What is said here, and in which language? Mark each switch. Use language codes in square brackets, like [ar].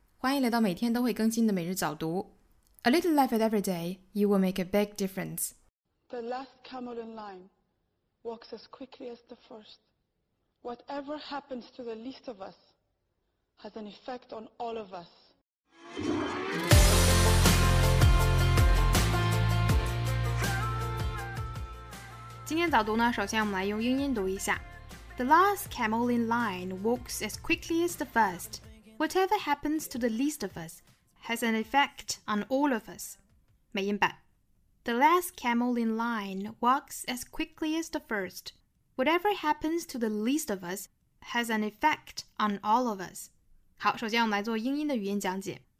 [zh] 欢迎来到每天都会更新的每日早读。 [en] A little life at every day, you will make a big difference. The last camel in line walks as quickly as the first. Whatever happens to the least of us has an effect on all of us. [zh] 今天早读呢，首先我们来用英音读一下。 [en] The last camel in line walks as quickly as the first. Whatever happens to the least of us has an effect on all of us. [zh] 美音版 [en] The last camel in line walks as quickly as the first. Whatever happens to the least of us has an effect on all of us. [zh] 好，首先我们来做英音的语音讲解。